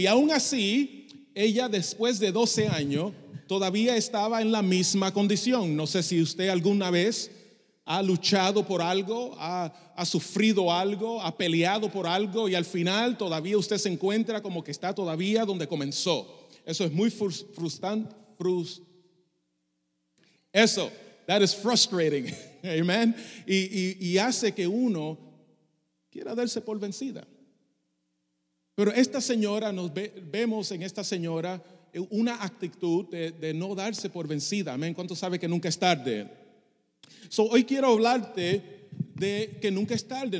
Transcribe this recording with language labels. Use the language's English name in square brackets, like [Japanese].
[Spanish] Y aún así, ella después de 12 años todavía estaba en la misma condición. No sé si usted alguna vez ha luchado por algo, ha sufrido algo, ha peleado por algo y al final todavía usted se encuentra como que está todavía donde comenzó. Eso es muy frustrante. [English] Eso, that is frustrating, amen. [Spanish] Y hace que uno quiera darse por vencida. Pero esta señora, vemos en esta señora una actitud de no darse por vencida, amén. ¿Cuánto sabe que nunca es tarde? So, hoy quiero hablarte de que nunca es tarde.